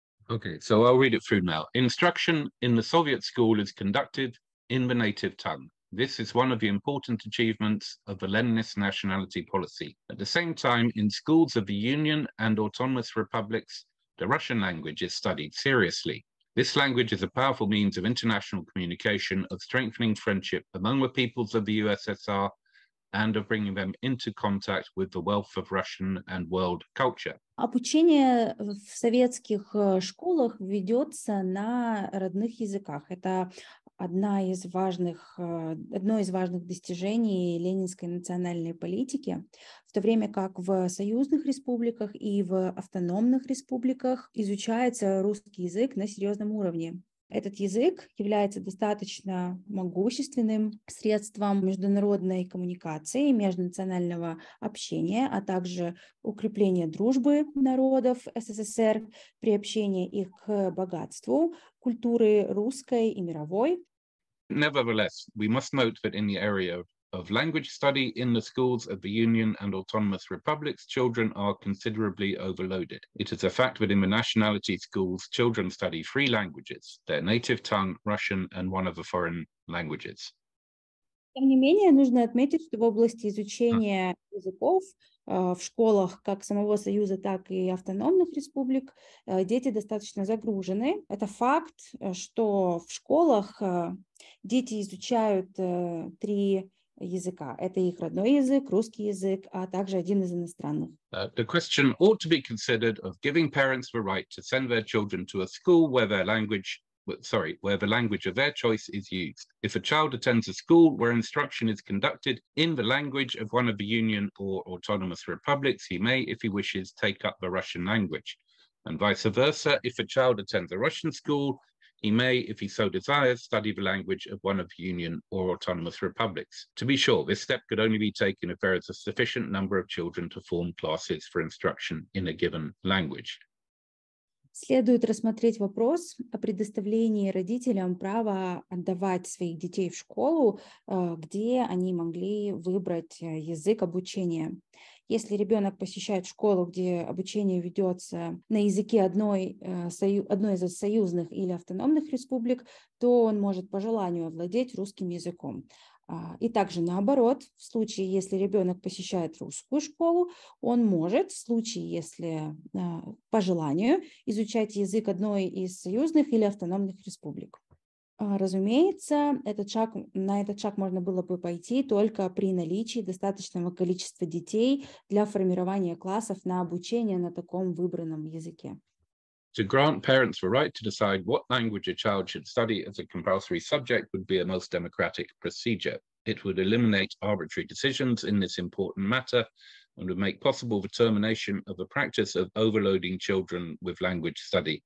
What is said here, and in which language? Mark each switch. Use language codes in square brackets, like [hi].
[en] Okay, so I'll read it through now. Instruction in the Soviet school is conducted in the native tongue. This is one of the important achievements of the Leninist nationality policy. At the same time, in schools of the Union and autonomous republics, the Russian language is studied seriously. This language is a powerful means of international communication, of strengthening friendship among the peoples of the USSR, and of bringing them into contact with the wealth of Russian and world culture. [ru] Обучение в советских школах ведется на родных языках. Это одно из важных достижений ленинской национальной политики, в то время как в союзных республиках и в автономных республиках изучается русский язык на серьезном уровне. Этот язык является достаточно могущественным средством международной коммуникации, межнационального общения, а также укрепления дружбы народов СССР, приобщения их к богатству культуры русской и мировой. [en] Nevertheless, we must note that in the area of language study in the schools of the Union and autonomous republics, children are considerably overloaded. It is a fact that in the nationality schools, children study three languages, their native tongue, Russian, and one of the foreign languages. [ru] Тем не менее, нужно отметить, что в области изучения языков в школах как самого Союза, так и автономных республик дети достаточно загружены. Это факт, что в школах дети изучают три языка. Это их родной язык, русский язык, а также один из иностранных. [en] The question ought to be considered of giving parents the right to send their children to a school where their language, where the language of their choice is used. If a child attends a school where instruction is conducted in the language of one of the Union or Autonomous Republics, he may, if he wishes, take up the Russian language. And vice versa, if a child attends a Russian school, he may, if he so desires, study the language of one of the Union or Autonomous Republics. To be sure, this step could only be taken if there is a sufficient number of children to form classes for instruction in a given language. [ru] Следует рассмотреть вопрос о предоставлении родителям права отдавать своих детей в школу, где они могли выбрать язык обучения. Если ребенок посещает школу, где обучение ведется на языке одной из союзных или автономных республик, то он может по желанию овладеть русским языком. И также наоборот, в случае, если ребенок посещает русскую школу, он может, в случае, если по желанию, изучать язык одной из союзных или автономных республик. Разумеется, на этот шаг можно было бы пойти только при наличии достаточного количества детей для формирования классов на обучение на таком выбранном языке. [en] To grant parents the right to decide what language a child should study as a compulsory subject would be a most democratic procedure. It would eliminate arbitrary decisions in this important matter and would make possible the termination of the practice of overloading children with language study.